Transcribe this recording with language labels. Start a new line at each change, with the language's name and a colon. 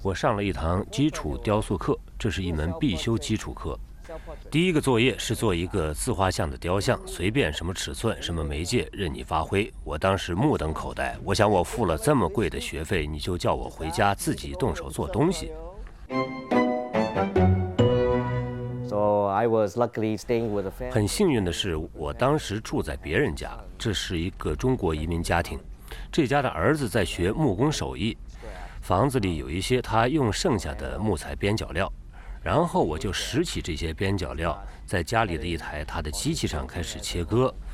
Chinese: 我上了一堂基础雕塑课，这是一门必修基础课。第一个作业是做一个自画像的雕像，随便什么尺寸什么媒介任你发挥。我当时目瞪口呆，我想我付了这么贵的学费，你就叫我回家自己动手做东西。
English: So I was luckily staying with a family.
Chinese: 很幸运的是我当时住在别人家，这是一个中国移民家庭，这家的儿子在学木工手艺，房子里有一些他用剩下的木材边角料，然后我就拾起这些边角料，在家里的一台他的机器上开始切割。